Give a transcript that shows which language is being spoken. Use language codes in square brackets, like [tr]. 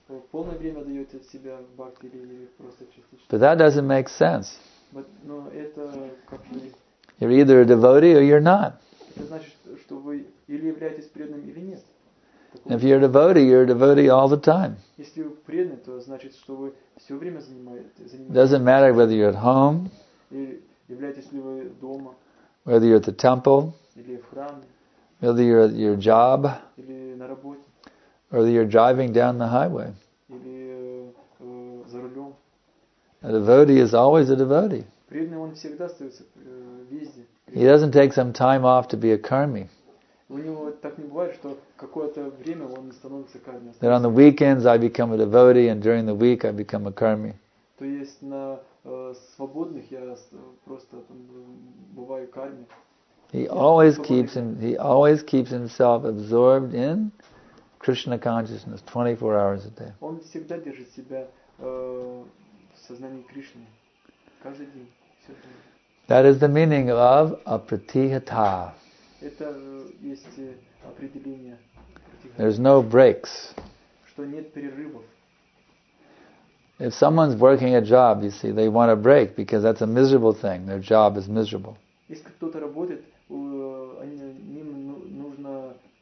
[ru] Полное время даете себя в бхакти или просто частично. [en] But that doesn't make sense. But, [ru] но это как-то... [en] You're either a devotee or you're not. [ru] Это значит, что вы или являетесь преданным или нет. [en] If you're a devotee, you're a devotee all the time. [ru] Если вы преданный, то значит, что вы все время занимаетесь. [en] Doesn't matter whether you're at home. [ru] Или являетесь ли вы дома. [en] Whether you're at the temple. [ru] Или в храме. [en] Whether you're at your job. [ru] Или на работе. [en] Or that you're driving down the highway. [ru] Или, за рулем. [en] A devotee is always a devotee. [ru] Преданный он всегда остается, везде. [en] He doesn't take some time off to be a карми. [ru] У него так не бывает, что какое-то время он становится карми. [en] That on the weekends I become a devotee and during the week I become a карми. [ru] То есть на свободных я просто там бываю карми. [en] He always keeps himself absorbed in Krishna consciousness 24 hours a day. [ru] Он всегда держит себя в сознании Кришны каждый день. [en] That is the meaning of apratihata. [ru] Это есть определение. [en] There's no breaks. [ru] Что нет перерывов. [en] If someone's working a job, you see, they want a break because that's a miserable thing. Their job is miserable. [ru] Если кто-то работает, им нужно